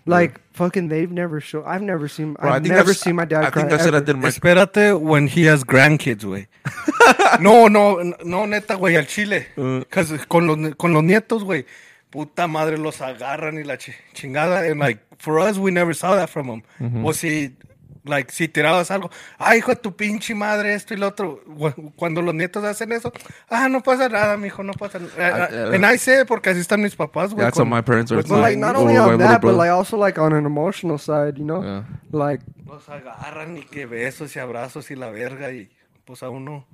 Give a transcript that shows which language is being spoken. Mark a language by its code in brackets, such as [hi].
[en] Like, yeah. Fucking, they've never shown, I've never seen, bro, I've never seen my dad I cry. I think I said ever. I did my. [es] Espérate [en] when he has grandkids, [es] güey. No, neta, güey, al chile. Because con los nietos, güey, puta madre, los agarran y la chingada. [en] And, like, for us, we never saw that from him. Mm-hmm. Was he... [es] Like, si tirabas algo, ay, hijo de tu pinche madre, esto y lo otro. Cuando los nietos hacen eso, no pasa nada, mijo, no pasa nada. [en] And I say it because [es] así están mis papás, güey. [en] That's what my parents are saying. Like, not only on that, but, like, also, like, on an emotional side, you know? Yeah. Like, [es] los agarran y que besos y abrazos y la verga y pues a uno.